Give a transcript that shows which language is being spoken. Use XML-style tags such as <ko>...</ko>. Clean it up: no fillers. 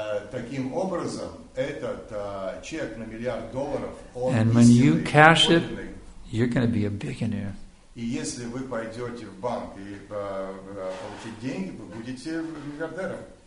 <ru>Таким образом, этот чек на миллиард долларов, он истинный.</ru> <en>And when you cash it, you're going to be a billionaire.</en> <ru>И если вы пойдете в банк и получите деньги, вы будете миллиардером.</ru>